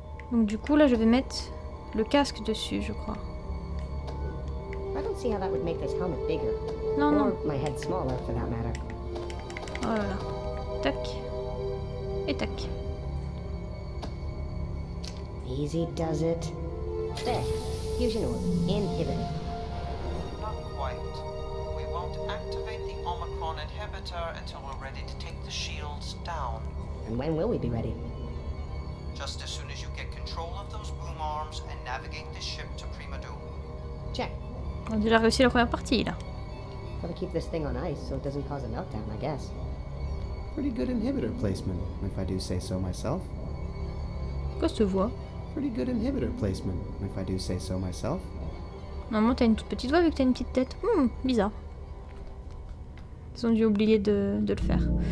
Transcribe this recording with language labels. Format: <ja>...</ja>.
<fr>Donc du coup, là, je vais mettre le casque dessus, je crois.</fr> <en>I don't see how that would make this helmet bigger.</en> <fr>Non, non.</fr> <en>Or my head smaller, for that matter.</en> <fr>Oh là là. Tac. Et tac.</fr> <en>Easy does it. There. Fusion orb. Inhibit. Not quite. We won't activate the Omicron inhibitor until we're ready to take the shields down. And when will we be ready? Just as soon as you get control of those boom arms and navigate the ship to Prima Doom. Check.</en> <fr>On a déjà réussi la première partie, là.</fr> <en>Gotta keep this thing on ice so it doesn't cause a meltdown, I guess. Pretty good inhibitor placement, if I do say so myself.</en> <fr>Qu'est-ce que tu vois?</fr> <en>Pretty good inhibitor placement, if I do say so myself.</en> <fr>Normalement, t'as une toute petite voix vu que t'as une petite tête. Bizarre. Ils ont dû oublier de le faire.</fr>